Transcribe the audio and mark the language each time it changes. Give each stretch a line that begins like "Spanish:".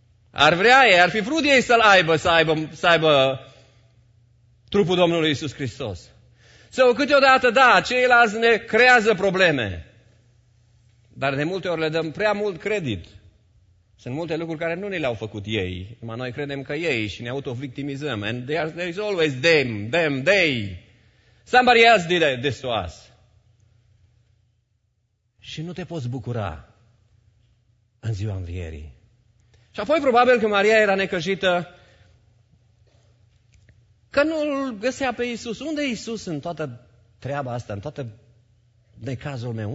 Romanian: Ar vrea ei, ar fi vrut ei să-l aibă, să aibă trupul Domnului Iisus Hristos. Sau câteodată, da, ceilalți ne creează probleme. Dar de multe ori le dăm prea mult credit. Sunt multe lucruri care nu ni le-au făcut ei. Numai noi credem că ei și ne auto-victimizăm.
English: And there is always they. Somebody else did this to us.
Romanian: Și nu te poți bucura în ziua Învierii. Și apoi probabil că Maria era necăjită că nu-l găsea pe Iisus. Unde e Iisus în toată treaba asta, în toată necazul meu?